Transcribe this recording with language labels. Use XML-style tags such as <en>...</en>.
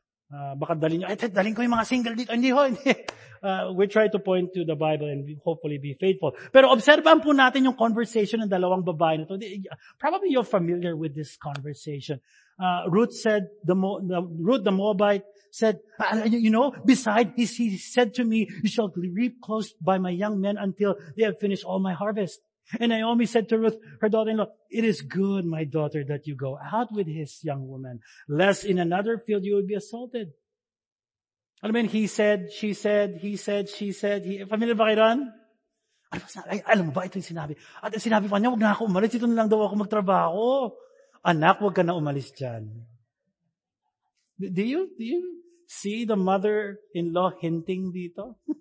<tl>Baka dalin nyo, dalin ko yung mga single dito. Hindi ho, hindi.</tl> <en>We try to point to the Bible and hopefully be faithful.</en> <tl>Pero obserban po natin yung conversation ng dalawang babae na to.</tl> <en>Probably you're familiar with this conversation. Ruth the Moabite said, you know, beside this, he said to me, you shall reap close by my young men until they have finished all my harvest. And Naomi said to Ruth, her daughter-in-law, it is good, my daughter, that you go out with his young woman, lest in another field you would be assaulted.</en> <tl>Alam mo yun,</tl> <en>he said, she said, he said, she said, he,</en> <tl>familiar ba kayo doon? Alam mo ba, ito yung sinabi. At sinabi pa niya, huwag na ako umalis, dito na lang daw ako magtrabaho. Anak, huwag ka na umalis dyan.</tl> <en>Do you see the mother-in-law hinting dito?</en>